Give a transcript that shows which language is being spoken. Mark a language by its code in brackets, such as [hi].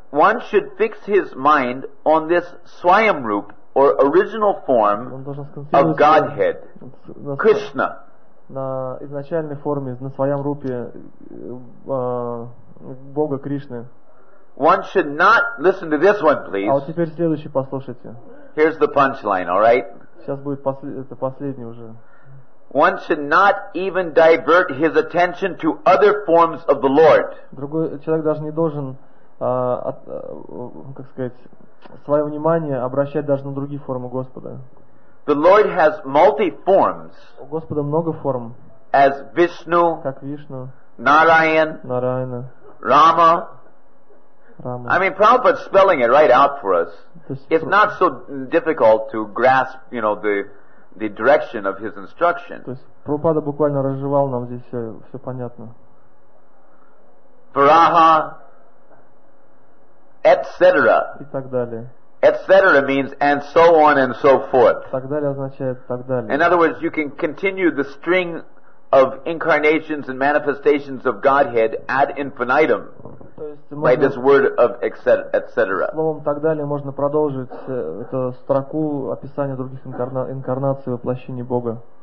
[en] One should fix his mind on this swayam rup or original form of Godhead, Krishna. [ru] На изначальной форме, на своем рупе Бога Кришны. [en] One should not listen to this one, please. [ru] А вот теперь следующий послушайте. [en] Here's the punchline, all right? [ru] Сейчас будет это последний уже. [en] One should not even divert his attention to other forms of the Lord. [ru] Другой человек даже не должен, как сказать, свое внимание обращать даже на другие формы Господа. [en] The Lord has multi forms. [ru] У Господа много форм. [en] As Vishnu, [ru] как Вишну, [en] Narayan, [ru] Нараяна, [en] Rama. I mean, Prabhupada's spelling it right out for us. It's not so difficult to grasp, you know, the direction of his instruction. [ru] То есть Прабхупада буквально разжевал нам здесь все понятно. [en] Varaha, etc. [ru] И так далее. [en] Etc. means and so on and so forth. [ru] Так далее означает так далее. [en] In other words, you can continue the string of incarnations and manifestations of Godhead ad infinitum by this word of etc. [ru] Словом так далее можно продолжить эту строку описания других инкарнаций воплощения Бога.